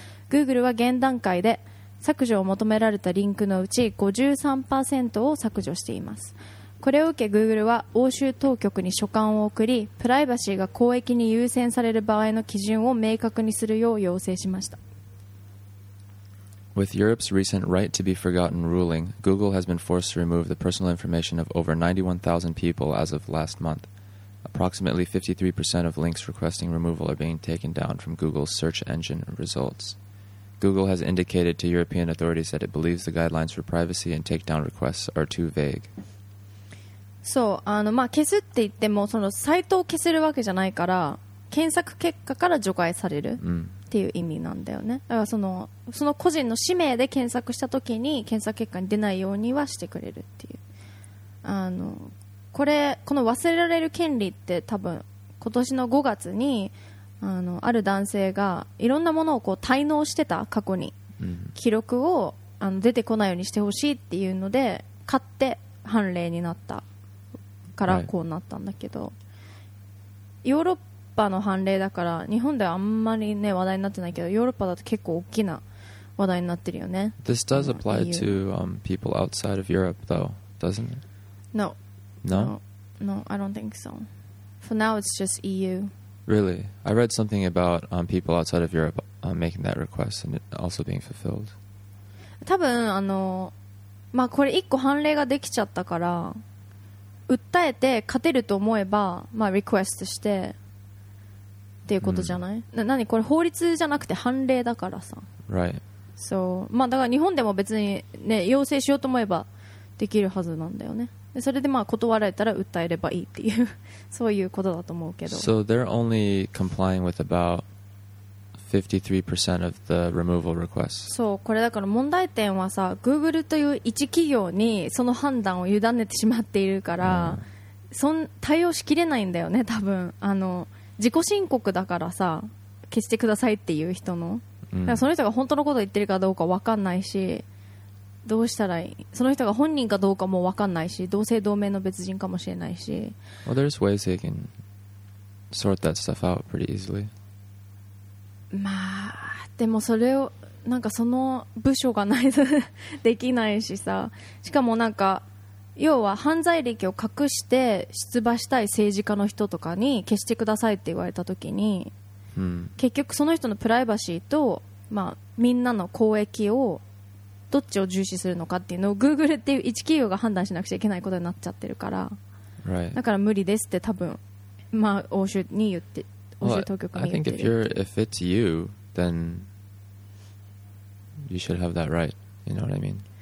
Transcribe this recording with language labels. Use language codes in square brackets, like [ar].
[ja] Google は現段階で削除を求められたリンクのうち 53% を削除しています。これを受け Google は欧州当局に書簡を送り、プライバシーが公益に優先される場合の基準を明確にするよう要請しました。 [en] With Europe's recent right to be forgotten ruling, Google has been forced to remove the personal information of over 91,000 people as of last month. Approximately 53% of links requesting removal are being taken down from Google's search engine results. Google has indicated to European authorities that it believes the guidelines for privacy and takedown requests are too vague. [ja] そう、あの、まあ、消すって言っても、そのサイトを消せるわけじゃないから、検索結果から除外される。っていう意味なんだよね。だからその個人の氏名で検索したときに検索結果に出ないようにはしてくれるっていう。あの、これこの忘れられる権利って多分今年の5月に ある男性がいろんなものをこう滞納してた過去に、記録を出てこないようにしてほしいっていうので買って判例になったからこうなったんだけど、ヨーロッパの判例だから日本ではあんまりね話題になってないけど、ヨーロッパだと結構大きな話題になってるよね。 [en] This does apply to people outside of Europe though, doesn't it? No. No? No, I don't think so. For now it's just EU. Really? I read something about people outside of Europe making that request and it also being fulfilled. [ja] 多分まあこれ一個判例ができちゃったから、訴えて勝てると思えば、まあリクエストしてっていうことじゃない、何これ法律じゃなくて判例だからさ、 [en] right. [ja] そう、まあ、だから日本でも別に、ね、要請しようと思えばできるはずなんだよね。でそれでまあ断られたら訴えればいいっていうそういうことだと思うけど、 [en] So they're only complying with about 53% of the removal requests. [ja] そう、これだから問題点はさ、 Google という一企業にその判断を委ねてしまっているから、対応しきれないんだよね多分。自己申告だからさ、消してくださいっていう人の、だからその人が本当のこと言ってるかどうか分かんないし、どうしたらいい、その人が本人かどうかも分かんないし、同姓同名の別人かもしれないし。 [en] Well, there's ways they can sort that stuff out pretty easily. [ja] まあでもそれをなんかその部署がないとできないしさ、しかもなんか要は犯罪歴を隠して出馬したい政治家の人とかに消してくださいって言われた時に、うん、結局その人のプライバシーと、まあ、みんなの公益をどっちを重視するのかっていうのを Google っていう一企業が判断しなくちゃいけないことになっちゃってるから、 [en] right. [ja] だから無理ですって多分、まあ、欧州に言って欧州当局に言ってる。 [en] Well, I think if it's you then you should have that right, you know what I mean?